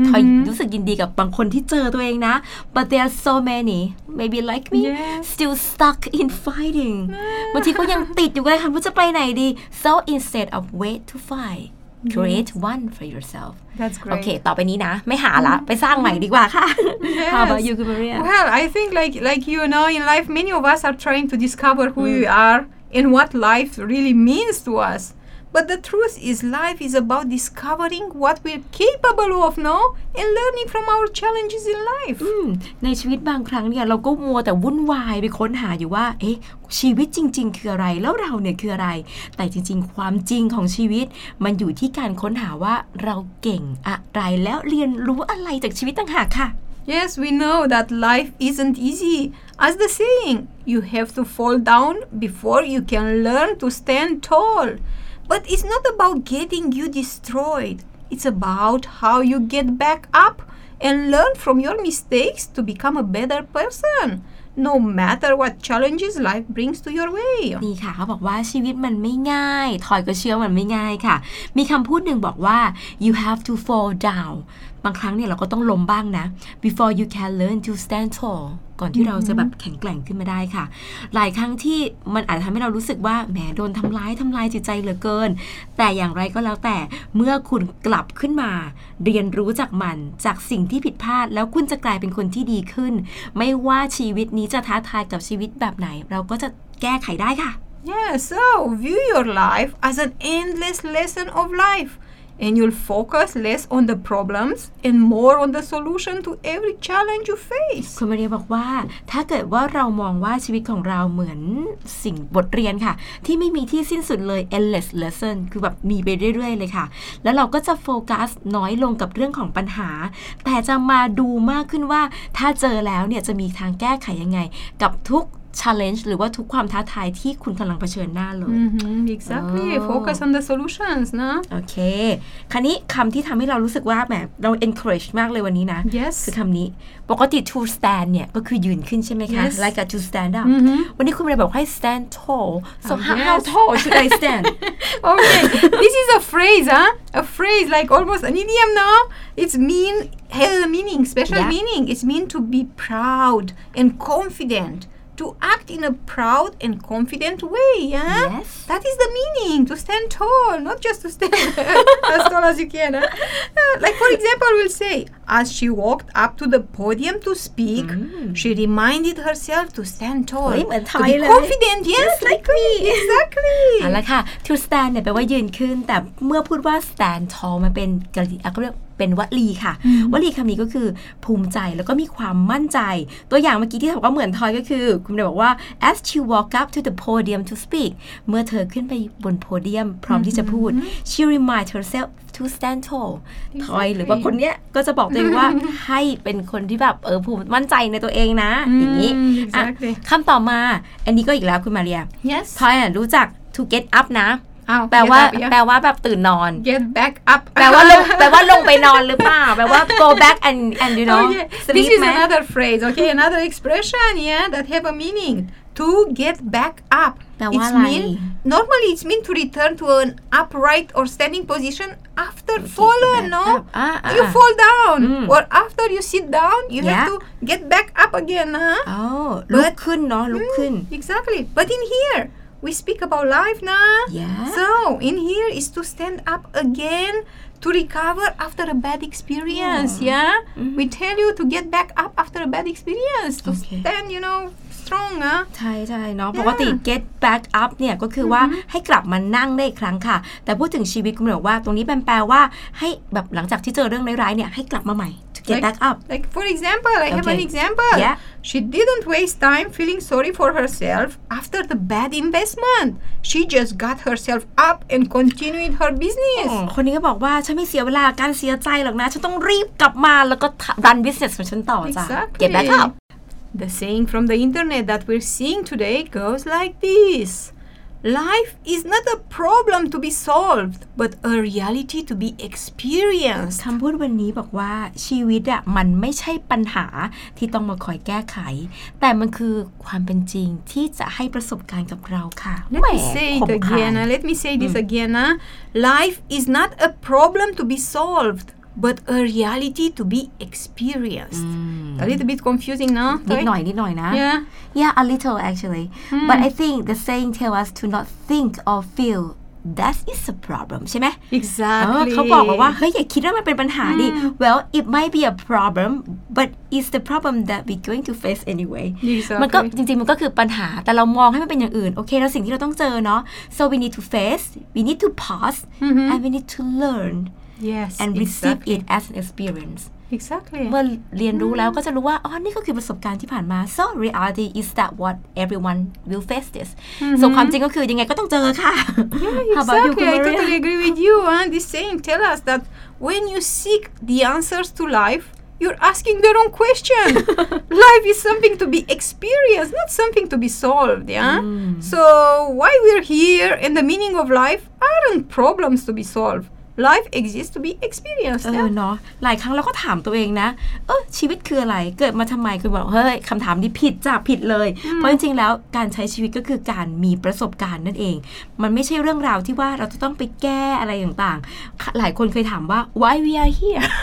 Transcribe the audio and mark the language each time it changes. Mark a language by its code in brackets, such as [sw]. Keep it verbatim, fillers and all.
[th] ทอยรู้สึกยินดีกับบางคนที่เจอตัวเองนะ [en] but there are so many, maybe like me, yes. still stuck in finding. [th] บางทีก็ยังติดอยู่เลยค่ะว่าจะไปไหนดี [en] so instead of wait to find, create yes. one for yourself. That's great. [th] Okay, ต่อไปนี้นะไม่หาละไปสร้างใหม่ดีกว่าค่ะ [en] yes. How about you, Maria? Well, I think like like you know, in life, many of us are trying to discover who mm. we are and what life really means to us. But the truth is life is about discovering what we're capable of now and learning from our challenges in life [th] อืมในชีวิตบางครั้งเนี่ยเราก็มัวแต่วุ่นวายไปค้นหาอยู่ว่าเอ๊ะชีวิตจริงๆคืออะไรแล้วเราเนี่ยคืออะไรแต่จริงๆความจริงของชีวิตมันอยู่ที่การค้นหาว่าเราเก่งอะไรแล้วเรียนรู้อะไรจากชีวิตต่างหากค่ะ [en] Yes we know that life isn't easy as the saying you have to fall down before you can learn to stand tall But it's not about getting you destroyed. It's about how you get back up and learn from your mistakes to become a better person, no matter what challenges life brings to your way. [th] นี่ค่ะเขาบอกว่าชีวิตมันไม่ง่ายทอยก็เชื่อมันไม่ง่ายค่ะมีคำพูดหนึ่งบอกว่า [en] you have to fall down [th] บางครั้งเนี่ยเราก็ต้องล้มบ้างนะ [en] before you can learn to stand tall [th] ก่อนที่ mm-hmm. เราจะแบบแข็งแกร่งขึ้นมาได้ค่ะหลายครั้งที่มันอาจทำให้เรารู้สึกว่าแหมโดนทำร้ายทำลายจิตใจเหลือเกินแต่อย่างไรก็แล้วแต่เมื่อคุณกลับขึ้นมาเรียนรู้จากมันจากสิ่งที่ผิดพลาดแล้วคุณจะกลายเป็นคนที่ดีขึ้นไม่ว่าชีวิตนี้จะท้าทายกับชีวิตแบบไหนเราก็จะแก้ไขได้ค่ะ [en] Yeah, so view your life as an endless lesson of life and you'll focus less on the problems and more on the solution to every challenge you face [th] คุณมาเรียบอกว่าถ้าเกิดว่าเรามองว่าชีวิตของเราเหมือนสิ่งบทเรียนค่ะที่ไม่มีที่สิ้นสุดเลย [en] endless lesson [th] คือแบบมีไปเรื่อยๆเลยค่ะแล้วเราก็จะโฟกัสน้อยลงกับเรื่องของปัญหาแต่จะมาดูมากขึ้นว่าถ้าเจอแล้วเนี่ยจะมีทางแก้ไขยังไงกับทุกchallenge หรือว่าทุกความท้าทายที่คุณกำลังเผชิญหน้าเลย [en] mm-hmm, exactly oh. focus on the solutions [th] นะ โอเคคราวนี้คำที่ทำให้เรารู้สึกว่าแบบเรา encourage มากเลยวันนี้นะ [en] yes. [th] คือคำนี้ปกติ [en] to stand [th] เนี่ยก็คือยืนขึ้นใช่ไหมคะ [en] yes. like a to stand up mm-hmm. [th] วันนี้คุณเลยบอกให้ [en] stand tall so oh, how, yes. how tall should I stand okay this is a phrase huh a phrase like almost an idiom now it's mean has a meaning special yeah. meaning it's mean to be proud and confident to act in a proud and confident way yeah yes. that is the meaning to stand tall not just to stand as tall as you can huh? uh, like for example we'll say as she walked up to the podium to speak mm. she reminded herself to stand tall to be confident yes like me exactly [th] เอาละค่ะ [en] to stand [th] เนี่ยแปลว่ายืนขึ้นแต่เมื่อพูดว่า [en] stand tall [th] มันเป็นกริยาก็เรียกเป็นวลีค่ะวลีคำนี้ก็คือภูมิใจแล้วก็มีความมั่นใจตัวอย่างเมื่อกี้ที่บอกว่าเหมือนทอยก็คือคุณได้บอกว่า [en] as she walked up to the podium to speak [th] เมื่อเธอขึ้นไปบนโพเดียมพร้อมที่จะพูด [en] she reminded herself to stand tall [th] ทอยหรือว่าคนเนี้ยก็จะบอกตัวเองว่าให้เป็นคนที่แบบเออภูมิมั่นใจในตัวเองนะอย่างนี้ คำต่อมาอันนี้ก็อีกแล้วคุณมาเรีย [en] yes [th] ทอยรู้จัก [en] to get up [th] นะ อ้าว แปลว่า [en] get up, yeah. [th] แปลว่าแบบตื่นนอน [en] get back up [th] แปลว่าลง แปลว่าลงไปนอนหรือเปล่าแปลว่า [en] go back and and you know oh, yeah. sleep this is [th] ไหม [en] another phrase okay another expression yeah that have a meaning to get back up [th] แปลว่า [en] it's [th] อะไร [en] mean normally it's mean to return to an upright or standing position after fallen back no up. Ah, ah, you ah. fall down Mm. or after you sit down you Yeah. have to get back up again huh [th] อ๋อลุกขึ้นเนาะลุกขึ้น [en] exactly but in here we speak about life nah Yeah. so in here is to stand up again to recover after a bad experience yeah we tell you to get back up after a bad experience to Okay. stand you know strong huh [th] ใช่ใช่เนาะปกติ [en] get back up [th] เนี่ยก็คือว่าให้กลับมานั่งได้อีกครั้งค่ะ แต่พูดถึงชีวิตคุณบอกว่าตรงนี้แปลว่าให้แบบหลังจากที่เจอเรื่องร้ายๆเนี่ยให้กลับมาใหม่ [en] to get Like- back up like for example I have an Okay. example Yeah. she didn't waste time feeling sorry for herself after the bad investment she just got herself up and continued her business [th] คนนี้ก็บอกว่าฉันไม่เสียเวลาการเสียใจหรอกนะ ฉันต้องรีบกลับมาแล้วก็ [en] run business [th] ของฉันต่อจ้ะ [en] Exactly. get back up The saying from the internet that we're seeing today goes like this. Life is not a problem to be solved, but a reality to be experienced. [th] คำพูดวันนี้บอกว่าชีวิตอะมันไม่ใช่ปัญหาที่ต้องมาคอยแก้ไข แต่มันคือความเป็นจริงที่จะให้ประสบการณ์กับเราค่ะแห [en] Let [th] ม่ [en] me say [th] ค [en] it [th] มคาย [en] again. uh, Let me say this again. uh. Life is not a problem to be solved, but a reality to be experienced. A little bit confusing, no? [th] นิดหน่อยนิดหน่อยนะ [en] Yeah. Yeah, a little actually. But I think the saying tell us to not think or feel that is a problem [th] ใช่ไหม เออ [en] Exactly. [th] เขาบอกมาว่าเฮ้ยอย่าคิดว่ามันเป็นปัญหาดิ [en] Well, it might be a problem, but it's the problem that we're going to face anyway. Exactly. [th] มันก็จริงๆมันก็คือปัญหาแต่เรามองให้มันเป็นอย่างอื่นโอเคแล้วสิ่งที่เราต้องเจอเนาะ [en] so we need to face, we need to pause, and we need to learn Yes. and receive exactly. it as an experience. Exactly. [th] เมื่อเรียนรู้แล้วก็จะรู้ว่าอ๋อนี่ก็คือประสบการณ์ที่ผ่านมา [en] so reality is that what everyone will face this [th] ส่วนความจริงก็คือยังไงก็ต้องเจอค่ะ [en] How about you, Exactly, I Gloria? totally agree with you. Huh? This saying tells us that when you seek the answers to life, you're asking the wrong question. Life is something to be experienced, not something to be solved. Yeah. So why we're here and the meaning of life aren't problems to be solved. Life exists to be experienced. [th] เอ [en] yeah? [th] อเนาะหลายครั้งเราก็ถามตัวเองนะเออชีวิตคืออะไรเกิดมาทำไมคุณบอกเฮ้ยคำถามนี้ผิดจ้ะผิดเลย เพราะจริงๆแล้วการใช้ชีวิตก็คือการมีประสบการณ์นั่นเอง มันไม่ใช่เรื่องราวที่ว่าเราจะต้องไปแก้อะไรต่างๆค่ะหลายคนเคยถามว่า [en] why we are here